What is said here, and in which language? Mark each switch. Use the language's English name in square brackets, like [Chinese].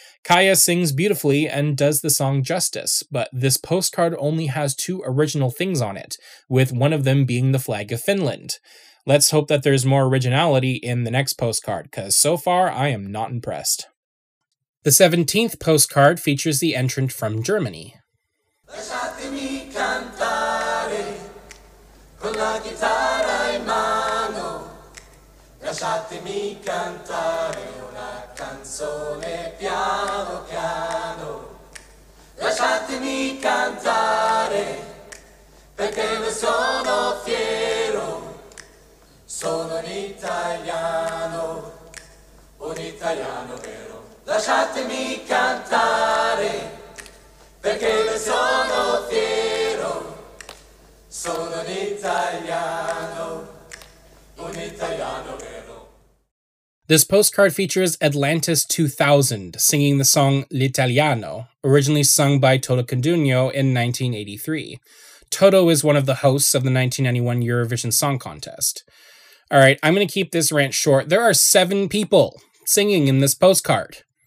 [English] Kaya sings beautifully and does the song justice, but this postcard only has two original things on it, with one of them being the flag of Finland. Let's hope that there's more originality in the next postcard, because so far I am not impressed. The 17th postcard features the entrant from Germany. [Italian] Lasciatemi cantare con la chitarra in mano. Lasciatemi cantare una canzone. Lasciatemi cantare, perché ne sono fiero, sono un italiano vero. Lasciatemi cantare, perché ne sono fiero, sono un italiano vero. [English] This postcard features Atlantis 2000 singing the song L'Italiano, originally sung by Toto Cutugno in 1983. Toto is one of the hosts of the 1991 Eurovision Song Contest. All right, I'm going to keep this rant short. There are 7 people singing in this postcard.